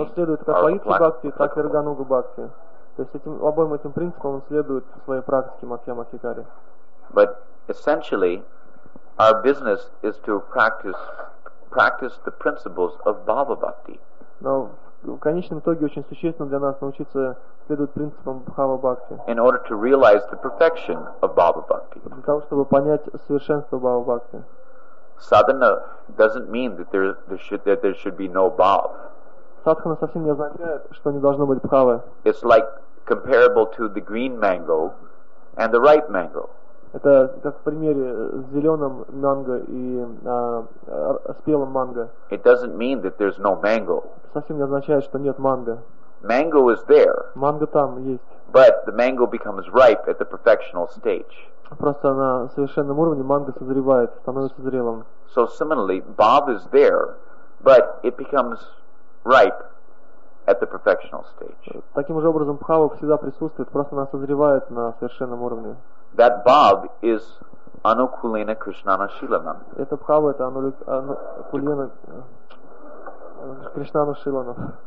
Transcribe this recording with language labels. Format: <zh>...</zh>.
<ru>Он следует как Vaidhi Bhakti, так и Raganuga Bhakti. То есть этим обоим этим принципам он следует в своей практике Мадхьяма Адхикари.</ru> <en>But essentially, our business is to practice the principles of Bhava Bhakti.</en> <ru>Но в конечном итоге очень существенно для нас научиться следовать принципам Бхава Бхакти.</ru> <en>In order to realize the perfection of Bhava Bhakti.</en> <ru>Для того чтобы понять совершенство Бхава Бхакти.</ru> <en>Sadhana doesn't mean that there should be no Bhav.</en> <ru>Садхана совсем не означает, что не должно быть Бхавы.</ru> <en>It's like comparable to the green mango and the ripe mango.</en> <ru>Это как в примере с зеленым манго и спелым манго.</ru> <en>It doesn't mean that there's no mango.</en> <ru>Совсем не означает, что нет манго.</ru> <en>Mango is there.</en> <ru>Манго там есть.</ru> <en>But the mango becomes ripe at the perfectional stage.</en> <ru>Просто на совершенном уровне манго созревает, становится зрелым.</ru> <en>So similarly, Bhav is there, but it becomes ripe at the perfectional stage.</en> <ru>Таким же образом Бхава всегда присутствует, просто она созревает на совершенном уровне.</ru> <en>That Bhav is Anukulena Krishnana Shilanam.</en> <ru>Это Бхава, это Анукулена Кришнана Шиланам.</ru>